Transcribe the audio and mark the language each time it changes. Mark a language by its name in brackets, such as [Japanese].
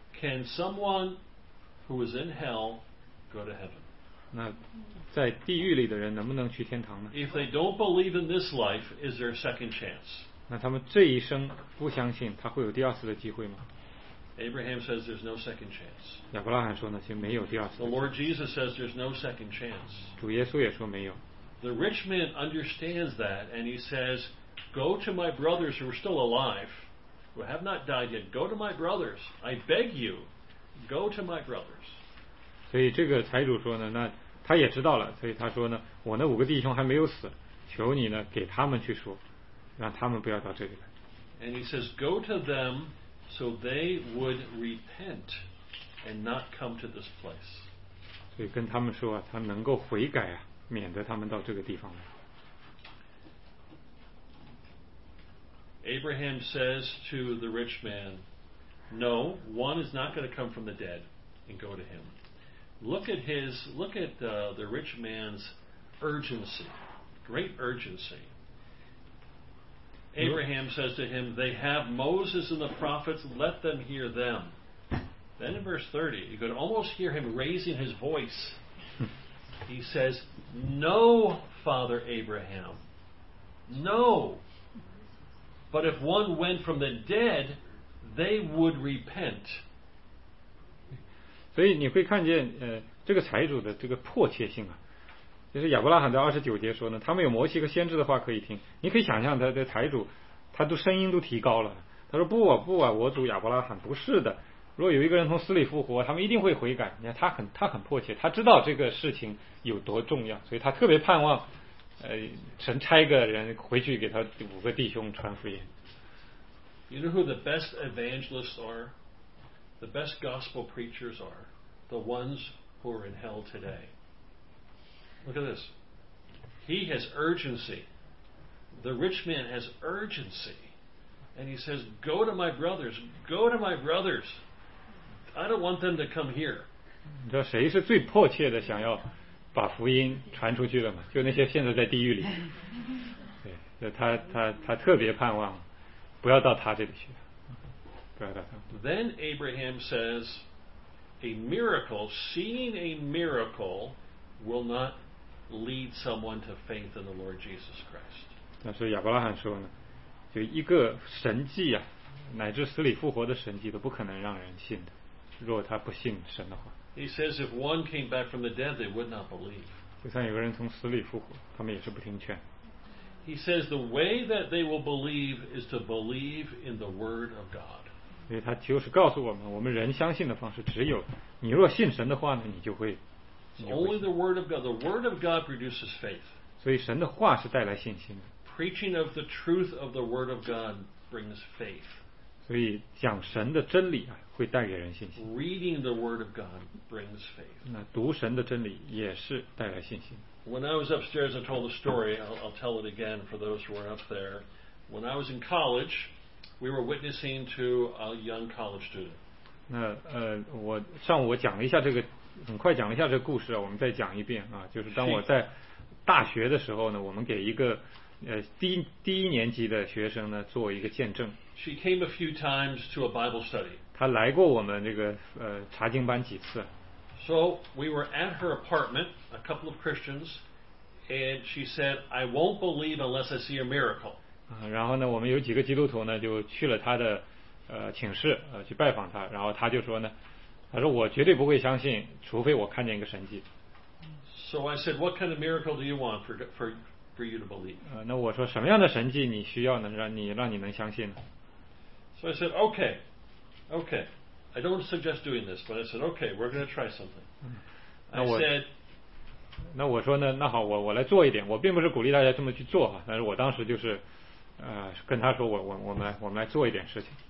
[English] Can someone who is in hell go to heaven? [Chinese] 那在地狱里的人能不能去天堂呢 [English] ？If they don't believe in this life, is there a second chance? [Chinese] 那他们这一生不相信，他会有第二次的机会吗 [English] ？Abraham says there's no second chance. [Chinese] 亚伯拉罕说呢，其实没有第二次。 [English] The Lord Jesus says there's no second chance. [Chinese] 主耶稣也说没有。 [English] The rich man understands that and he says, go to my brothers who are still alive, who have not died yet. Go to my brothers. I beg you. Go to my brothers. [Chinese] 所以这个财主说呢那他也知道了所以他说呢我那五个弟兄还没有死求你呢给他们去说让他们不要到这里来。 [English] And he says, go to them so they would repent and not come to this place. [Chinese] 所以跟他们说啊他能够悔改啊。免得他们到这个地方来。 [English] Abraham says to the rich man, "No, one is not going to come from the dead and go to him." Look at the rich man's urgency, great urgency. Abraham says to him, "They have Moses and the prophets; let them hear them." Then in verse 30, you could almost hear him raising his voice. He says, No, Father Abraham, no. But if one went from the dead, they would repent. [Chinese] 所以你会看见这个财主的这个迫切性啊，就是亚伯拉罕在二十九节说呢，他们有摩西和先知的话可以听。你可以想象他的财主，他都声音都提高了，他说不啊不啊，我主亚伯拉罕不是的，如果有一个人从死里复活，他们一定会悔改。你看他很迫切，他知道这个事情有多重要，所以他特别盼望神差一个人回去给他五个弟兄传福音。 [English] You know who the best evangelists are? The best gospel preachers are the ones who are in hell today. Look at this. He has urgency. The rich man has urgency. And he says, go to my brothers, go to my brothers. I don't want them to come here. [Chinese] 你知道谁是最迫切的想要把福音传出去的吗？就那些现在在地狱里。对，他特别盼望不要到他这里去。 [English] Then Abraham says, a miracle, seeing a miracle, will not lead someone to faith in the Lord Jesus Christ. [Chinese] 但是亚伯拉罕说呢，就一个神迹啊，乃至死里复活的神迹都不可能让人信的，若他不信神的话。 [English] He says, if one came back from the dead, they would not believe. [Chinese] 就算有个人从死里复活，他们也是不听劝。 [English] He says, the way that they will believe is to believe in the word of God. [Chinese] 所以他就是告诉我们，我们人相信的方式只有你若信神的话呢，你就会 [English] Only the word of God. The word of God produces faith. [Chinese] 所以神的话是带来信心的。 [English] Preaching of the truth of the word of God brings faith. [Chinese] 所以讲神的真理啊，会带给人信心。 [English] Reading the word of God brings faith. [Chinese] 那读神的真理也是带来信心。 [English] When I was upstairs, I told a story. I'll tell it again for those who are up there. When I was in college. We were witnessing to a young college student. [Chinese] 那我上午我讲了一下这个，很快讲了一下这个故事啊，我们再讲一遍啊，就是当我在大学的时候呢，我们给一个第一年级的学生呢做一个见证。 [English] She came a few times to a Bible study. [Chinese] 她来过我们这个查经班几次。 [English] So we were at her apartment, a couple of Christians, and she said, "I won't believe unless I see a miracle." [Chinese] 然后呢，我们有几个基督徒呢，就去了他的寝室去拜访他。然后他就说呢，他说我绝对不会相信，除非我看见一个神迹。 [English] So I said, what kind of miracle do you want for you to believe? [Chinese] 那我说什么样的神迹你需要呢，让你能相信呢 [English] ？So I said, okay, I don't suggest doing this, but I said, okay, we're going to try something. I said. [Chinese] 那我说呢，那好，我来做一点。我并不是鼓励大家这么去做哈，但是我当时就是，跟他说我们来做一点事情。